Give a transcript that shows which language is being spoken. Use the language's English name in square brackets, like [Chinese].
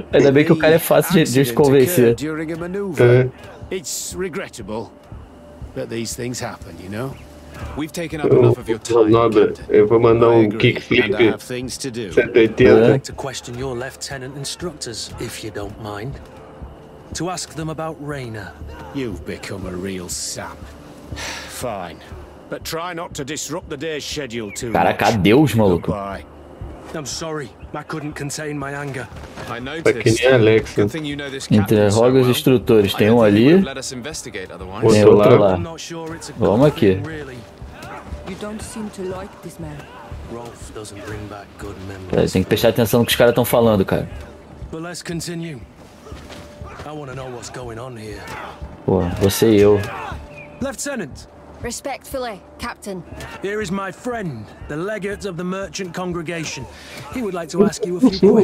[Portuguese] Ainda bem que o cara é fácil de convencer. [English] During a maneuver. It's regrettable, but these things happen, you know? We've taken up enough of your time. [Portuguese] Nobre, eu vou mandar um kickflip. [English] To question your lieutenant instructors, if you don't mind. To ask them about Reyna. You've become a real sap. Fine. But try not to disrupt the day's schedule too much. [Portuguese] Caraca, adeus, maluco. [English] I'm sorry, I couldn't contain my anger. I noticed. Good thing you know this captain. [Portuguese] Interroga os instrutores, tem um ali. Tem outro lá. Vamos aqui. [English] You don't seem to like this man. Rolf doesn't bring back good memories. [Portuguese] Tem que prestar atenção no que os caras estão falando, cara. [English] But let's continue. I want to know what's going on here. [Portuguese] Pô, você e eu. [English] Lieutenant. Respectfully, Captain. Here is my friend, the legate of the merchant congregation. He would like to ask you a few questions.